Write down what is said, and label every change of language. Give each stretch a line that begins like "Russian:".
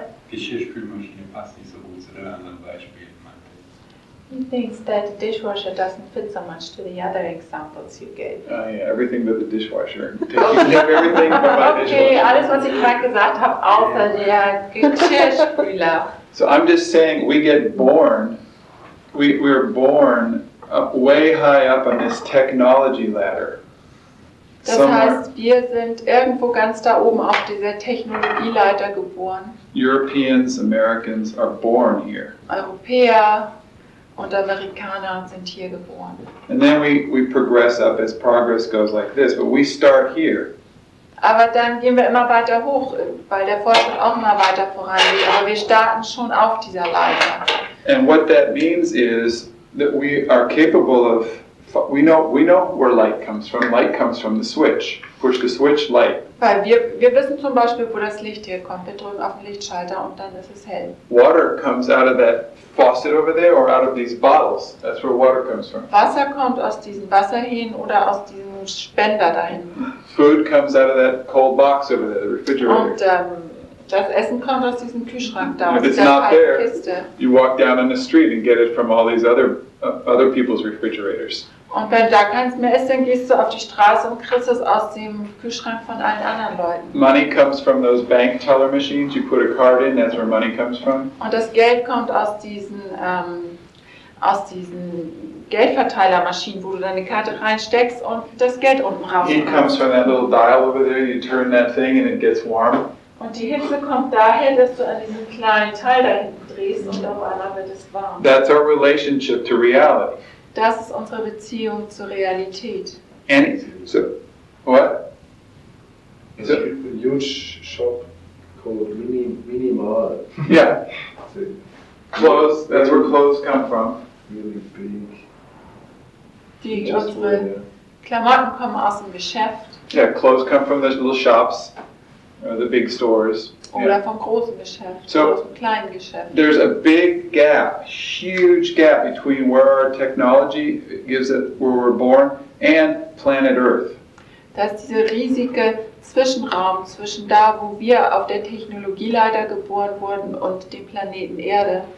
German: Geschirrspülmaschine passt nicht so gut zu den anderen Beispielen.
English: He thinks that the dishwasher doesn't fit so much to the other examples you gave. Yeah, everything but the dishwasher. Everything but my dishwasher.
German: Okay, alles was ich gerade gesagt habe, außer der Geschirrspüler.
English: So I'm just saying we get born, we're born up, way high up on this technology ladder.
German: Das heißt, wir sind irgendwo ganz da oben auf dieser Technologieleiter geboren.
English: Europeans, Americans are born here.
German: Europäer. Und Amerikaner sind hier geboren.
English: And then we progress up as progress goes like this, but we start here.
German: Aber dann gehen wir immer weiter hoch, weil der Fortschritt auch immer weiter vorangeht. Aber wir starten schon auf dieser Leiter.
English: And what that means is that we are capable of, we know where light comes from. Light comes from the switch. Push the switch, light.
German: Weil wir wissen zum Beispiel, wo das Licht herkommt. Wir drücken auf den Lichtschalter und dann ist es hell.
English: Water comes out of that faucet over there or out of these bottles. That's where water comes from.
German: Wasser kommt aus diesem Wasserhahn oder aus diesem Spender da hinten.
English: Food comes out of that cold box over there, the refrigerator.
German: Und das Essen kommt aus diesem Kühlschrank da, aus dieser kalten Kiste.
English: You walk down on the street and get it from all these other people's refrigerators.
German: Und wenn da keins mehr ist, dann gehst du auf die Straße und kriegst es aus dem Kühlschrank von allen anderen Leuten.
English: Money comes from those bank teller machines. You put a card in, that's where money comes from.
German: Und das Geld kommt aus diesen Geldverteilermaschinen, wo du deine Karte reinsteckst und das Geld unten rauskommt.
English: Heat comes from that little dial over there. You turn that thing and it gets warm.
German: Und die Hitze kommt daher, dass du an diesem kleinen Teil da hinten drehst und auf einmal wird es warm.
English: That's our relationship to reality.
German: Das ist unsere Beziehung zur Realität.
English: So, a huge shop called Mini Mall. Yeah. Clothes, that's where clothes come from. Really big.
German: Die unsere Klamotten kommen aus dem Geschäft.
English: Yeah, clothes come from the little shops, or the big stores.
German: Oder vom großen Geschäft, so, vom kleinen Geschäft.
English: There's a big gap, huge gap between where our technology gives it, where we're born, and planet Earth.
German: Da ist dieser riesige Zwischenraum zwischen da, wo wir auf der Technologieleiter geboren wurden, und dem Planeten Erde.